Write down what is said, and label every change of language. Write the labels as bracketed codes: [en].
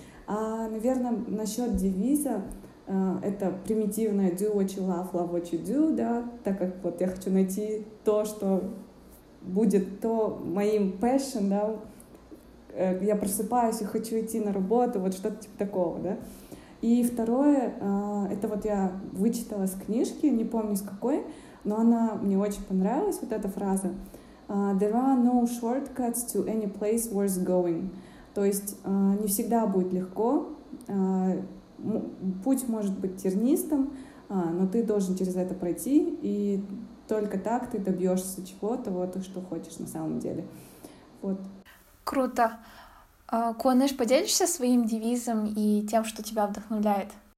[ru] А, наверное, насчет девиза, это примитивное [en] do what you love, love what you do, [ru] да, так как вот я хочу найти то, что будет то моим passion, да, я просыпаюсь и хочу идти на работу, вот что-то типа такого, да. И второе, это вот я вычитала с книжки, не помню с какой, но она мне очень понравилась, вот эта фраза. [en] There are no shortcuts to any place worth going. [ru] То есть не всегда будет легко, путь может быть тернистым, но ты должен через это пройти, и только так ты добьешься чего-то, вот, что хочешь на самом деле. Вот. Круто. Куаныш, поделишься своим девизом и тем, что тебя вдохновляет?